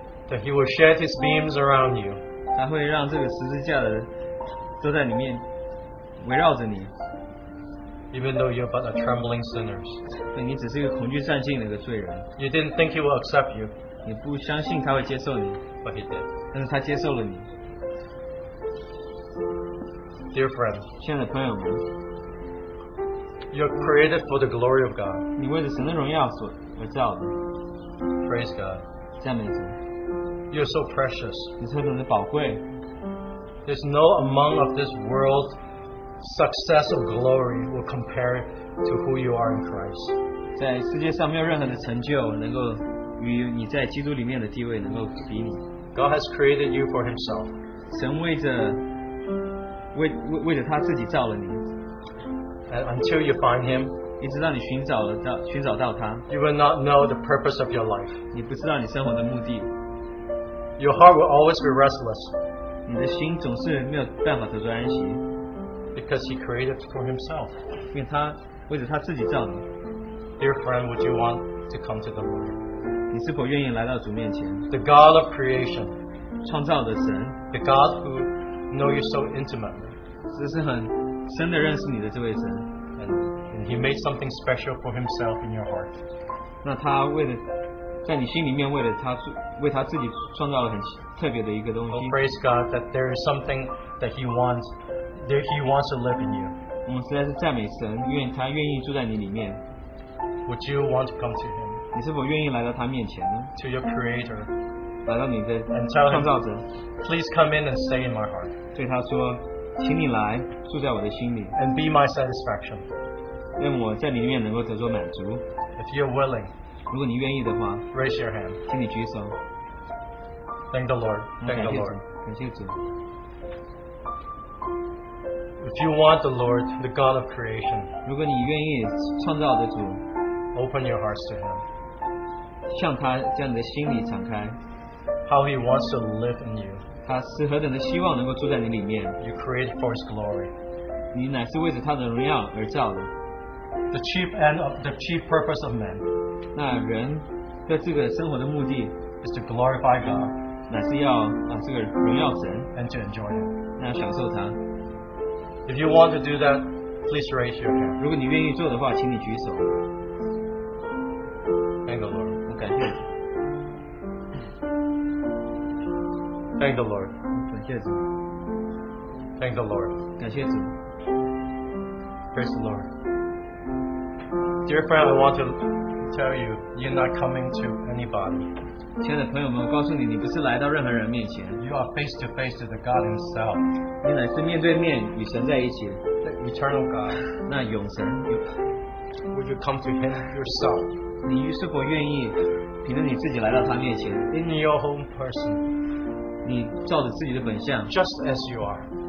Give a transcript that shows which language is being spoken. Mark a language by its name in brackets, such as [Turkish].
[English] That he will shed his beams around you. [Chinese] 他会让这个十字架的都在里面围绕着你。 [English] Even though you're but a trembling sinner. [Chinese] 你只是一个恐惧战兢的一个罪人。 [English] You didn't think he will accept you. [Chinese] 你不相信他会接受你。 [English] But he did. [Chinese] 但是他接受了你。 [English] Dear friend. [Chinese] 亲爱的朋友们。 [English] You're created for the glory of God. [Chinese] 你为了神的荣耀所而造的。 [English] Praise God. [Chinese] 赞美主。 [English] You're so precious. [Chinese] 你是何等的宝贵。 [English] There's no among of this world success or glory will compare to who you are in Christ. [Chinese] 在世界上没有任何的成就能够与你在基督里面的地位能够比拟。 [English] God has created you for Himself. [Chinese] 神为着他自己造了你。 [English] Until you find him, [Chinese] 一直到你寻找到他, [English] you will not know the purpose of your life. [Chinese] 你不知道你生活的目的。 [English] Your heart will always be restless. [Chinese] 你的心总是没有办法得到安息。 [English] Because he created for himself. [Chinese] 因为他为着他自己造你。 [English] Dear friend, would you want to come to the Lord? [Chinese] 你是否愿意来到主面前？ [English] The God of creation, [Chinese] 创造的神。 [English] The God who knows you so intimately. [Chinese] 这是很真的认识你的这位神。 [English] And he made something special for himself in your heart. [Chinese] 那他为了在你心里面为了他为他自己创造了很特别的一个东西。 [English] Oh, praise God that there is something that he wants to live in you. [Chinese] 我们实在是赞美神，愿他愿意住在你里面。 [English] Would you want to come to him? [Chinese] 你是否愿意来到他面前呢？ [English] To your creator. [Chinese] 来到你的创造者。 [English] And tell him, please come in and stay in my heart. [Chinese] 对他说。请你来住在我的心里 [English] and be my satisfaction. [Chinese] 让我在你里面能够得着满足。 [English] If you're willing, [Chinese] 如果你愿意的话 [English] raise your hand. [Chinese] 请你举手。 [English] Thank the Lord. Thank the Lord. [Chinese] 感谢主。 [English] If you want the Lord, the God of creation, [Chinese] 如果你愿意创造的主 [English] open your hearts to him. [Chinese] 向他将你的心里敞开。 [English] How he wants to live in you. [Chinese] 他是何等的希望能够住在你里面。 [English] You create for His glory. [Chinese] 你乃是为着他的荣耀而造的。 [English] The chief end of the chief purpose of man. [Chinese] 那人在这个生活的目的 [English] is to glorify God. [Chinese] 乃是要这个荣耀神。 [English] And to enjoy Him. [Chinese] 那享受他。 [English] If you want to do that, please raise your hand. [Chinese] 如果你愿意做的话，请你举手。 [English] Thank the Lord. [Chinese] 我感谢。 [English] Thank the Lord. [Chinese] 感谢主。 [English] Thank the Lord. [Chinese] 感谢主。 [English] Praise the Lord. Dear friend, I want to tell you, you're not coming to anybody. [Chinese] 亲爱的朋友们，我告诉你，你不是来到任何人面前。 [English] You are face to face with the God Himself. [Chinese] 你乃是面对面与神在一起。 [English] The Eternal God. [Chinese] 那永神。 [English] Would you come to Him yourself? [Chinese] 你是否愿意凭着你自己来到他面前 [English] ？In your own person. [Chinese] 你照着自己的本相 [English] ，just as you are，